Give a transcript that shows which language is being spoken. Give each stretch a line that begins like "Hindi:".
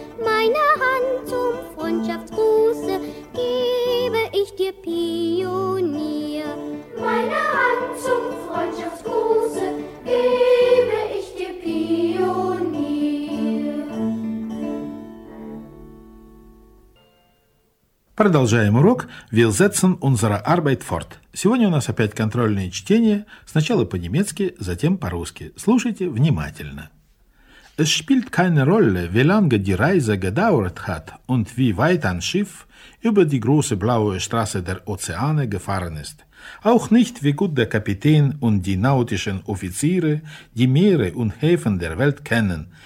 German: Meine Hand zum Freundschaftsgruße gebe ich dir, Pionier. Meine Hand zum Freundschaftsgruße gebe ich dir, Pionier.
Russian: Продолжаем урок.
German: Wir setzen unsere Arbeit fort.
Russian: Сегодня у нас опять контрольные чтения. Сначала по-немецки, затем по-русски. Слушайте внимательно.
German: Es spielt keine Rolle, wie lange die Reise gedauert hat und wie weit ein Schiff über die große blaue Straße der Ozeane gefahren ist. Auch nicht, wie gut der Kapitän und die nautischen Offiziere die Meere und Häfen der Welt kennen.